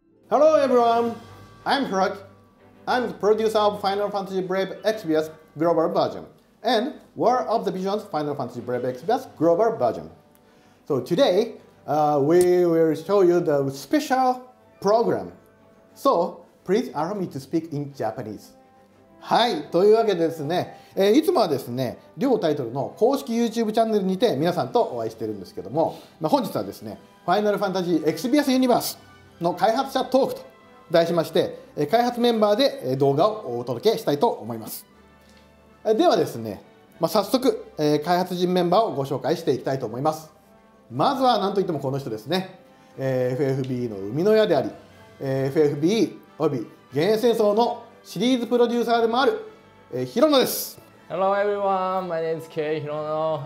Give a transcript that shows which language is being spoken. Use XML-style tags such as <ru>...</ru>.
<en>Hello everyone, I'm Hirok. I'm the producer of Final Fantasy Brave EXVIUS Global Version and War of the Visions Final Fantasy Brave EXVIUS Global Version. So today, we will show you the special program. So, please allow me to speak in Japanese.</en> <ja>はい、というわけでですね、いつもはですね、両タイトルの公式 YouTube チャンネルにて皆さんとお会いしてるんですけども、まあ、本日はですね、Final Fantasy EXVIUS UNIVERSEの開発者トークと題しまして、開発メンバーで動画をお届けしたいと思います。ではですね、まあ、早速、開発陣メンバーをご紹介していきたいと思います。まずは何といってもこの人ですね、FFBE の生みの親であり、FFBE および幻影戦争のシリーズプロデューサーでもある、ヒロノです。</ja> <en>Hello everyone, my name is Kei Hirono.</en>